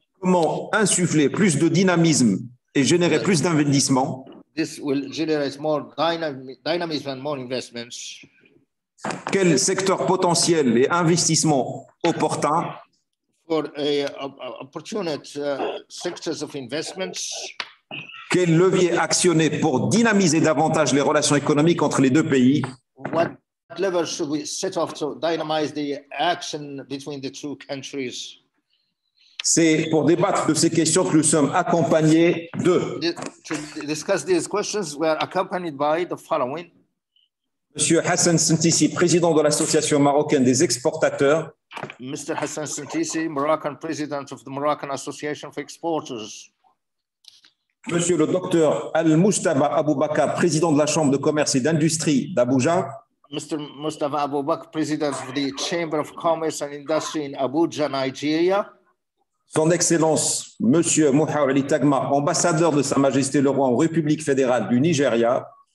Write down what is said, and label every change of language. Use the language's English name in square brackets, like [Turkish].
[French] Comment insuffler plus de dynamisme et générer plus d'investissements? [English] This will generate more dynamism and more investments. [French] Quel secteur potentiel et investissement opportun? [English] For opportunity sectors of investments. [French] Quel levier actionner pour dynamiser davantage les relations économiques entre les deux pays? [English] What levers should we set off to dynamize the action between the two countries? [French] C'est pour débattre de ces questions que nous sommes accompagnés de. [English] To discuss these questions, we are accompanied by the following. [French] Monsieur Hassan Sentissi, président de l'Association marocaine des exportateurs. [English] Mr. Hassan Sentissi, Moroccan president of the Moroccan Association of Exporters. [French] Monsieur le docteur Al-Mustaba Aboubakar, président de la Chambre de commerce et d'industrie d'Abuja. [English] Mr. Mustafa Aboubakar, president of the Chamber of Commerce and Industry in Abuja, Nigeria. [French] Son Excellence, Monsieur Muhar Ali Tagma, ambassadeur de Sa Majesté le Roi en République fédérale du Nigeria.